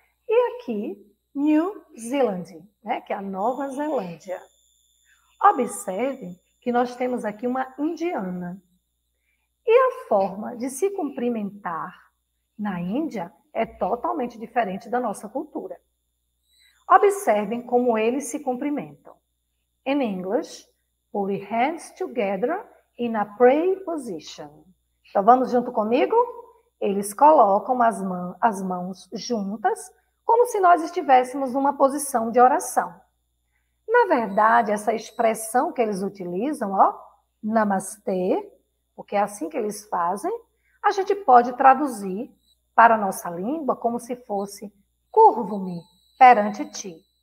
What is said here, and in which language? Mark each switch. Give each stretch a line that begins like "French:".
Portuguese: E aqui, New Zealand, né? Que é a Nova Zelândia. Observe que nós temos aqui uma indiana. E a forma de se cumprimentar Na Índia, é totalmente diferente da nossa cultura. Observem como eles se cumprimentam.
English: In English, put your hands together in a pray position.
Portuguese: Então vamos junto comigo? Eles colocam as mãos juntas, como se nós estivéssemos numa posição de oração. Na verdade, essa expressão que eles utilizam, ó, namastê, porque é assim que eles fazem, a gente pode traduzir para a nossa língua como se fosse curvo-me perante ti.